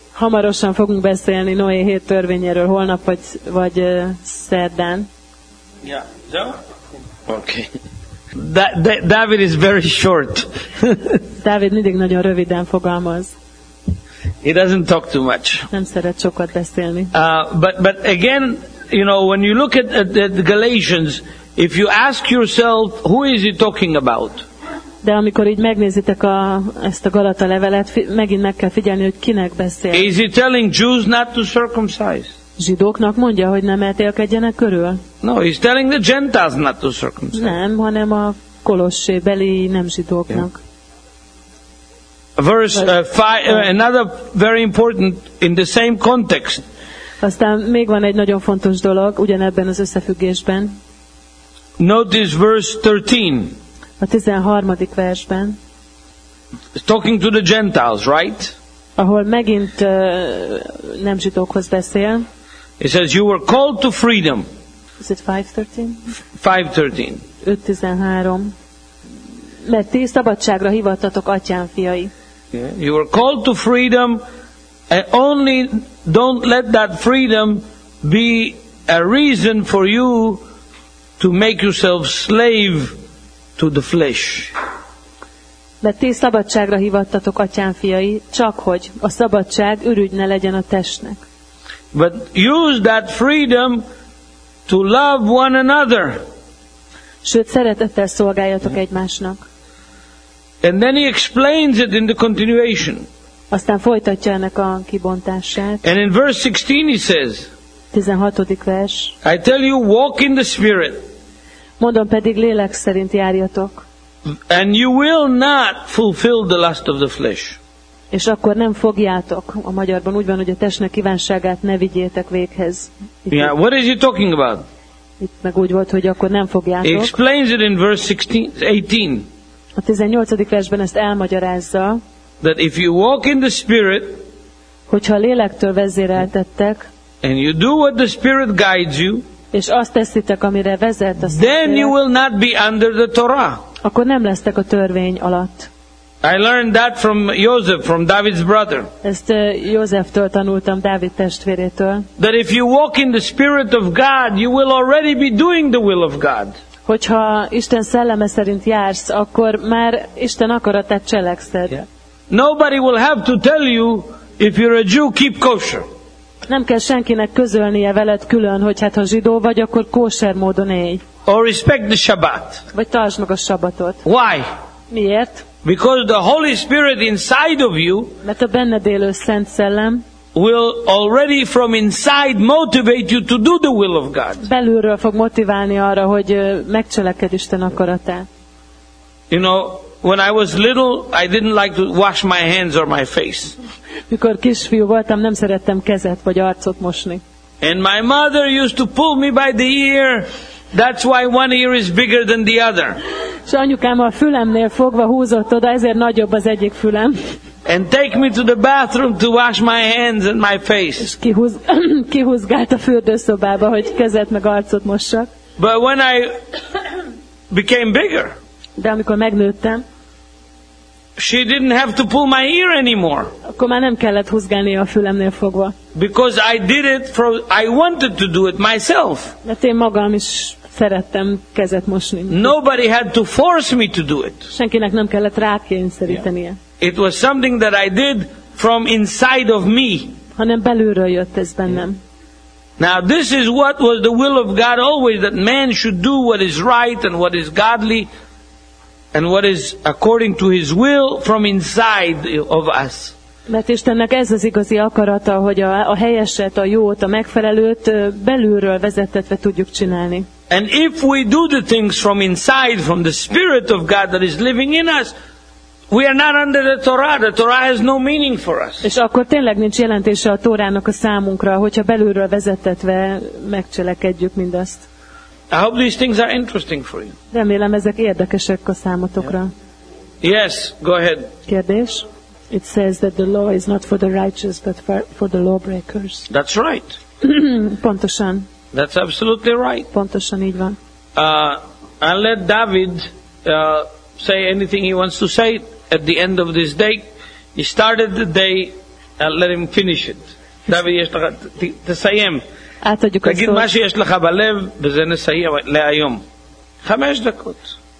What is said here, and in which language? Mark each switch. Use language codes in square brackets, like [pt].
[hu] Hamarosan fogunk beszélni Noé 7 törvényéről, holnap vagy szerdán. [en] Yeah, so? Okay. David is very short. [hu] David mindig nagyon röviden fogalmaz. [en] He doesn't talk too much. [hu] Nem szeret sokat beszélni. [en] But again, you know, when you look at Galatians, if you ask yourself, who is he talking about? [hu] De amikor így megnézitek ezt a Galata levelet, megint meg kell figyelni, hogy kinek beszél. [en] Is he telling Jews not to circumcise? [hu] Zsidóknak mondja, hogy nem eltélkedjenek körül? [en] No, he's telling the Gentiles not to circumcise. [hu] Nem, hanem a Kolossé beli nem zsidóknak. [en] Yeah. Another very important in the same context. [hu] Aztán még van egy nagyon fontos dolog, ugyanebben az összefüggésben. [en] Notice verse 13. [hu] A 13. versben. [en] It's talking to the Gentiles, right? [hu] Ahol megint nem zsidókhoz beszél. [en] It says you were called to freedom. Is it 5:13? 5:13. 5:13. [hu] Mert ti szabadságra hivattatok, atyám fiai. [en] Yeah. You were called to freedom, and only don't let that freedom be a reason for you to make yourself slave to the flesh. [hu] Mert ti szabadságra hivattatok, atyám fiai, csak hogy a szabadság ürügy ne legyen a testnek. [en] But use that freedom to love one another. [hu] Sőt, szeretettel szolgáljatok egymásnak. [en] And then he explains it in the continuation. [hu] Aztán folytatja ennek a kibontását. [en] And in verse 16 he says, [hu] 16. vers, [en] I tell you, walk in the Spirit. [hu] Mondom pedig, lélek szerint járjatok. [en] And you will not fulfill the lust of the flesh. [hu] És akkor nem fogjátok, a magyarban úgy van, hogy a testnek kívánságát ne vigyétek véghez. [en] Yeah, what is he talking about? [hu] Itt meg úgy volt, hogy akkor nem fogjátok. [en] He explains it in verse 16, 18. [hu] A 18. versben ezt elmagyarázza. [en] That if you walk in the Spirit, [hu] hogyha lélektől vezéreltettek, [en] And you do what the Spirit guides you. [hu] És azt teszitek, amire vezet a Spirit. [en] Then you will not be under the Torah. [hu] Akkor nem lesztek a törvény alatt. [en] I learned that from Joseph, from David's brother. [hu] Ezt Józseftől tanultam, Dávid testvérétől. [en] That if you walk in the Spirit of God, you will already be doing the will of God. [hu] Hogyha Isten szelleme szerint jársz, akkor már Isten akaratát cselekszed. [en] Yeah. Nobody will have to tell you if you're a Jew, keep kosher. [hu] Nem kell senkinek közölnie veled külön, hogy hát ha zsidó vagy, akkor kosher módon élj. [en] Or respect the Shabbat. [hu] Vagy tartsd meg a Shabbatot. [en] Why? [hu] Miért? [en] Because the Holy Spirit inside of you, [hu] mert a benned élő Szent Szellem, [en] will already from inside motivate you to do the will of God. [hu] Belülről fog motiválni arra, hogy megcselekedd Isten akaratát. [en] You know, when I was little, I didn't like to wash my hands or my face. [hu] Mikor kisfiú voltam, nem szerettem kezet vagy arcot mosni. [en] And my mother used to pull me by the ear. That's why one ear is bigger than the other. [hu] És anyukám a fülemnél fogva húzott oda, ezért nagyobb az egyik fülem. [en] And take me to the bathroom to wash my hands and my face. [hu] És kihúzgált a fürdőszobába, hogy kezet meg arcot mossak. [en] But when I became bigger, [hu] de amikor megnőttem, [en] she didn't have to pull my ear anymore. [hu] Akkor már nem kellett húzgálnia a fülemnél fogva. [en] Because I did it for I wanted to do it myself. [hu] Mert én magam is szerettem kezet mosni. [en] Nobody had to force me to do it. [hu] Senkinek nem kellett rákényszerítenie. [en] Yeah. It was something that I did from inside of me. [hu] Hanem belülről jött ez bennem. [en] Now this is what was the will of God always, that man should do what is right and what is godly and what is according to his will from inside of us. [hu] Mert Istennek ez az igazi akarata, hogy a helyeset, a jót, a megfelelőt belülről vezetetve tudjuk csinálni. [en] And if we do the things from inside, from the Spirit of God that is living in us, we are not under the Torah. The Torah has no meaning for us. [hu] És akkor tényleg nincs jelentése a Tórának a számunkra, hogyha belülről vezetetve megcselekedjük mindazt. [en] I hope these things are interesting for you. [hu] Remélem ezek érdekesek a számotokra. [en] Yes, go ahead. [hu] Kérdés. [en] It says that the law is not for the righteous, but for the lawbreakers. That's right. [hu] Pontosan. [en] That's absolutely right. [hu] Pontosan így van. [en] I'll let David say anything he wants to say at the end of this day. He started the day, I'll let him finish it. David, yes, [he] תסיים. [hu] Átadjuk a szót. [he] מה שיש לך בלב, בזה נסיים להיום. חמש דקות.